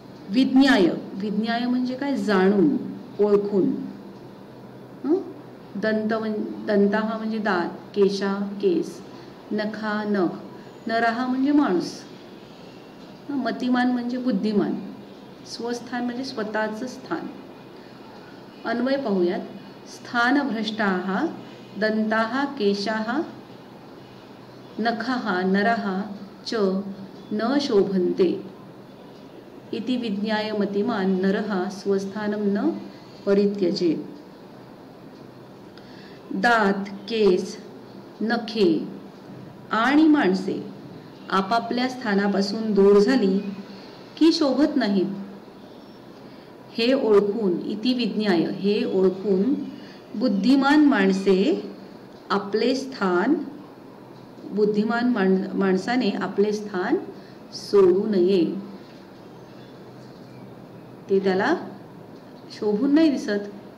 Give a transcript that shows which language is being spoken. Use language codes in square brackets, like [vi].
[mr] विज्ञाय म्हणजे काय? जाणून, ओळखून। दंता हा म्हणजे दात, केशा केस, नखा नख, नरहा म्हणजे माणूस, मतिमान म्हणजे बुद्धिमान, स्वस्थान म्हणजे स्वतःच स्थान। अन्वय पाहूयात। [sa] स्थान भ्रष्टाः दंताः केशाः नखाः नरः च न शोभन्ते इति विज्ञाय मतिमान नरः स्वस्थानं न परित्यजे। [mr] दात, केस, नखे आणि माणसे आपापल्या स्थानापासून दूर झाली की शोभत नाहीत, हे ओळखून, इति विज्ञाय हे ओळखून बुद्धिमान माणसे आपले स्थान, बुद्धिमान माणसाने आपले स्थान सोडू नये, ते त्याला शोभून नाही दिसत।